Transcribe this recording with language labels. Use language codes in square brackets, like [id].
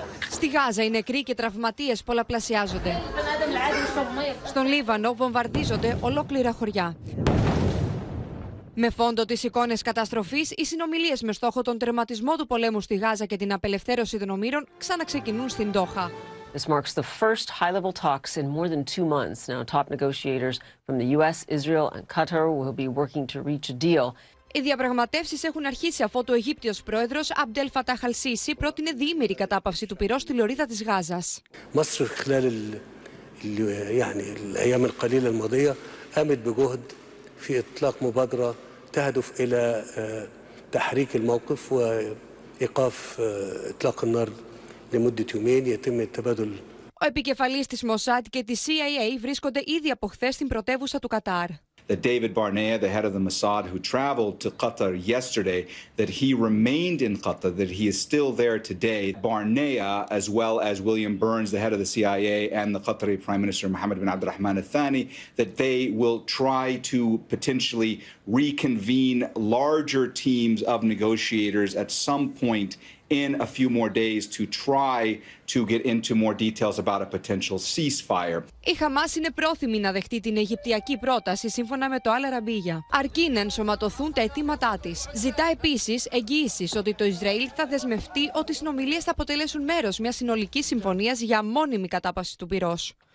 [el] Στη Γάζα οι νεκροί και τραυματίες πολλαπλασιάζονται. Στον Λίβανο βομβαρδίζονται ολόκληρα χωριά. Με φόντο τις εικόνες καταστροφής, οι συνομιλίες με στόχο τον τερματισμό του πολέμου στη Γάζα και την απελευθέρωση των ομήρων ξαναξεκινούν στην Ντόχα. [en] This marks the first high-level talks in more than 2 months. Now, top negotiators from the U.S., Israel, and Qatar will be working to reach a deal. [el] Οι διαπραγματεύσεις έχουν αρχίσει αφού το Αιγύπτιος πρόεδρος Αμπντέλ Φατάχ Αλ-Σίσι πρότεινε διήμερη κατάπαυση του πυρός στη λωρίδα της Γάζας. [ar] مصر خلال يعني الأيام القليلة الماضية قامت بجهد في إطلاق مبادرة تهدف إلى تحريك الموقف وإيقاف إطلاق النار. [el] Ο επικεφαλής της Mossad και της CIA βρίσκονται ήδη από χθες στην πρωτεύουσα του Κατάρ. [en] That David Barnea, the head of the Mossad, who traveled to Qatar yesterday, that he remained in Qatar, that he is still there today. Barnea, as well as William Burns, the head of the CIA, and the Qatari Prime Minister Mohammed bin Abdul Rahman Al-Thani, that they will try to potentially reconvene larger teams of negotiators at some point in a few more days to try to get into more details about a potential ceasefire. [el] Η Χαμάς είναι πρόθυμη να δεχτεί την Αιγυπτιακή πρόταση σύμφωνα με το Al Arabiya, αρκεί να ενσωματωθούν τα αιτήματά της. Ζητά επίσης εγγύησης ότι το Ισραήλ θα δεσμευτεί ότι οι συνομιλίες θα αποτελέσουν μέρος μιας συνολικής συμφωνίας για μόνιμη κατάπαυση του πυρός.